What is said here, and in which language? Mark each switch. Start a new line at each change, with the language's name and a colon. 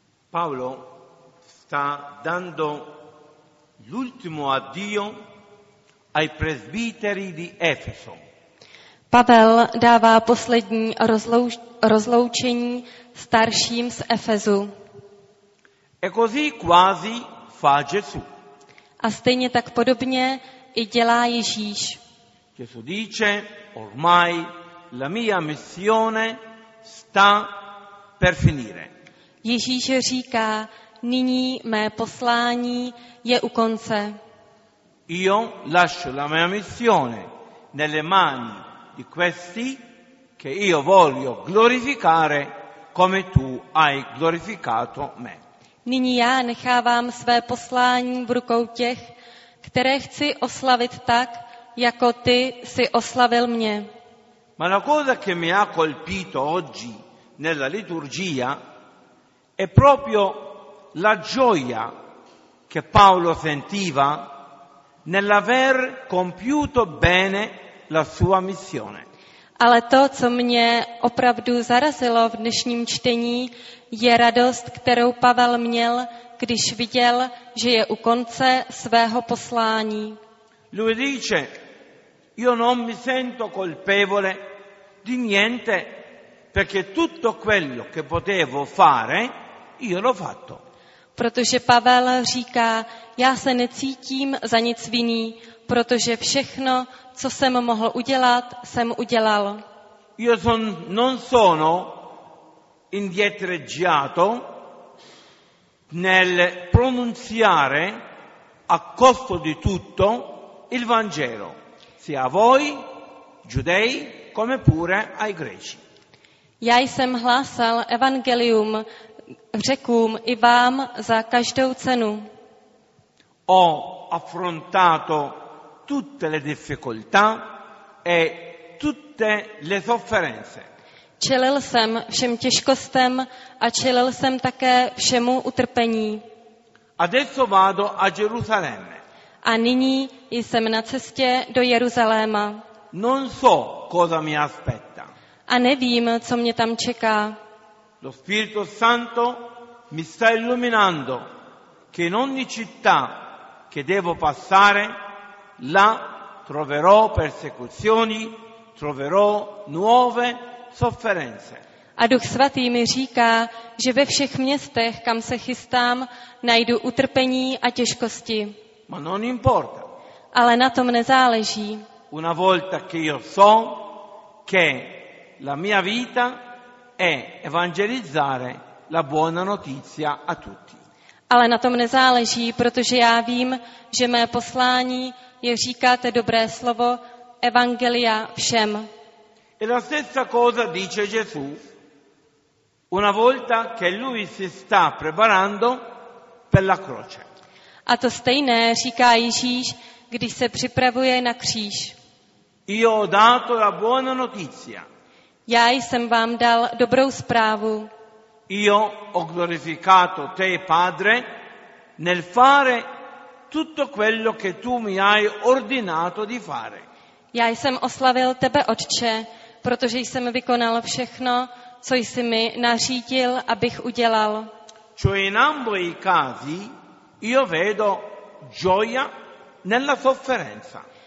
Italian: Paolo sta dando l'ultimo addio ai presbiteri di Efeso.
Czech: Pavel dává poslední rozloučení starším z Efezu.
Italian: E così quasi fa Gesù.
Czech: A stejně tak podobně i dělá Ježíš.
Italian: Gesù dice: ormai la mia missione sta per finire.
Czech: Ježíš říká, nyní mé poslání je u konce.
Italian: Io lascio la mia missione nelle mani di questi che io voglio glorificare come tu hai glorificato me.
Czech: Nyní já nechávám své poslání v rukou těch, které chci oslavit tak, jako ty si oslavil mě.
Italian: Ma la cosa che mi ha colpito oggi nella liturgia è proprio la gioia che Paolo sentiva nell'aver compiuto bene la sua missione.
Czech: Ale to, co mě opravdu zarazilo v dnešním čtení, je radost, kterou Pavel měl, když viděl, že je u konce svého poslání.
Italian: Lui dice: io non mi sento colpevole di niente, perché tutto quello che potevo fare io l'ho fatto.
Czech: Protože Pavel říká, já se necítím za nic vinný, protože všechno, co jsem mohl udělat, jsem udělal.
Italian: Io non sono indietreggiato nel pronunciare a costo di tutto il Vangelo, sia a voi, giudei, come pure ai greci.
Czech: Já jsem hlásal evangelium řekům i vám za každou cenu.
Italian: Ho affrontato tutte le difficoltà e tutte le sofferenze.
Czech: Čelil jsem všem těžkostem a čelil jsem také všemu utrpení.
Italian: Adesso vado a Gerusalemme.
Czech: A nyní jsem na cestě do Jeruzaléma.
Italian: Non so cosa mi aspetta.
Czech: A nevím, co mě tam čeká.
Italian: Lo Spirito Santo mi sta illuminando che in ogni città che devo passare là troverò persecuzioni, troverò nuove sofferenze.
Czech: A Duch Svatý mi říká, že ve všech městech, kam se chystám, najdu utrpení a těžkosti.
Italian: Ma non importa.
Czech: Ale na tom nezáleží.
Italian: Una volta che io so che la mia vita è evangelizzare la buona notizia a tutti.
Czech: Ale na tom nezáleží, protože já vím, že mé poslání je říkat dobré slovo evangelia všem.
Italian: E la stessa cosa dice Gesù una volta che lui si sta preparando per la croce.
Czech: A to stejné říká Ježíš, když se připravuje na kříž.
Italian: Io ho dato la buona notizia.
Czech: Já jsem vám dal dobrou zprávu.
Italian: Io ho glorificato te, Padre, nel fare tutto quello che tu mi hai ordinato di fare.
Czech: Já jsem oslavil tebe, Otče, protože jsem vykonal všechno, co jsi mi nařídil, abych udělal.
Italian: Cioè in ambo i casi io vedo gioia nella sofferenza.